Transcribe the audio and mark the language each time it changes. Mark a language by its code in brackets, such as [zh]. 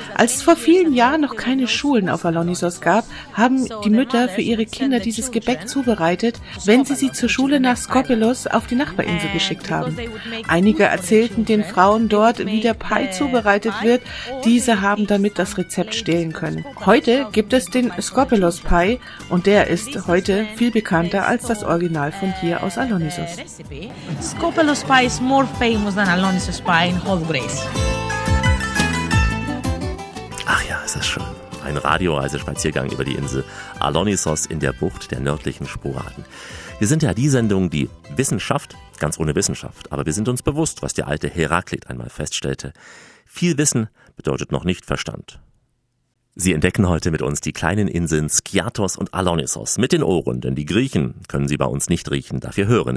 [de] Als es vor vielen Jahren noch keine Schulen auf Alonisos gab, haben die Mütter für ihre Kinder dieses Gebäck zubereitet, wenn sie sie zur Schule nach Skopelos auf die Nachbarinsel geschickt haben. Einige erzählten den Frauen dort, wie der Pie zubereitet wird, diese haben damit das Rezept stehlen können. Heute gibt es den Skopelos Pie und der ist heute viel bekannter als das Original von hier aus Alonisos. [en] Skopelos pie is more famous than Alonisos pie in whole Greece. [de] Ach ja, ist das schön. Ein Radioreisespaziergang über die Insel Alonisos in der Bucht der nördlichen Sporaden. Wir sind ja die Sendung, die Wissenschaft, ganz ohne Wissenschaft, aber wir sind uns bewusst, was der alte Heraklit einmal feststellte. Viel Wissen bedeutet noch nicht Verstand. Sie entdecken heute mit uns die kleinen Inseln Skiathos und Alonisos mit den Ohren, denn die Griechen können sie bei uns nicht riechen, dafür hören.